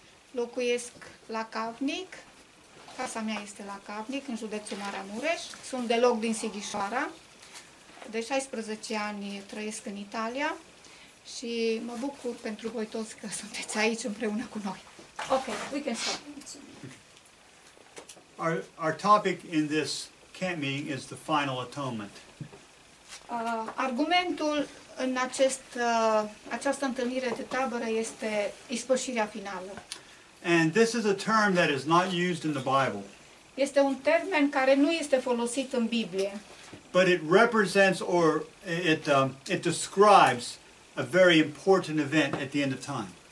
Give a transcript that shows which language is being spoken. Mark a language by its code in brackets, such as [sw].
[ro] Locuiesc la Cavnic. Casa mea este la Cavnic, în județul Marea Mureș. Sunt deloc din Sighișoara. De 16 ani trăiesc în Italia și mă bucur pentru voi toți că sunteți aici împreună cu noi. [en] Ok, we can stop. Our topic in this camp meeting is the final atonement. [ro] Argumentul în această întâlnire de tabără este ispășirea finală. [en] And this is a term that is not used in the Bible. [ro] Este un termen care nu este folosit în Biblie. [en] But it represents or it describes a very important event at the end of time.